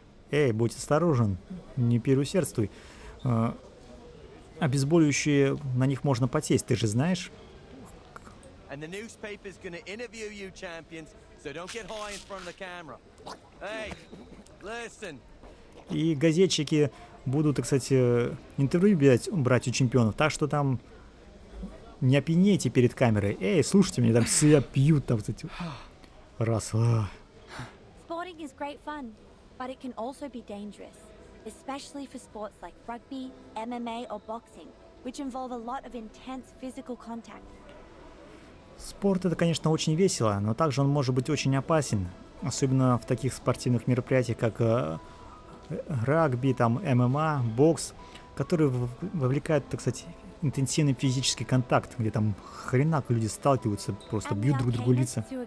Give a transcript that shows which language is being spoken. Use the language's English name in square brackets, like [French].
[Russian] Эй, будь осторожен, не переусердствуй. Обезболивающие, на них можно подсесть, ты же знаешь. [English] And the newspaper's gonna interview you, champions, so don't get high in front of the camera. Hey, listen. [Russian] И газетчики будут, так сказать, интервью брать у чемпионов, так что там не опьянейте перед камерой. Эй, слушайте меня, там все пьют, там, кстати. Раз. [English] Sporting is great fun, but it can also be dangerous, especially for sports like rugby, MMA or boxing, which involve a lot of intense physical contact. [Russian] Спорт — это, конечно, очень весело, но также он может быть очень опасен, особенно в таких спортивных мероприятиях, как рагби, там, ММА, бокс, которые вовлекают, так сказать, интенсивный физический контакт, где там хренак люди сталкиваются, просто бьют друг другу лица.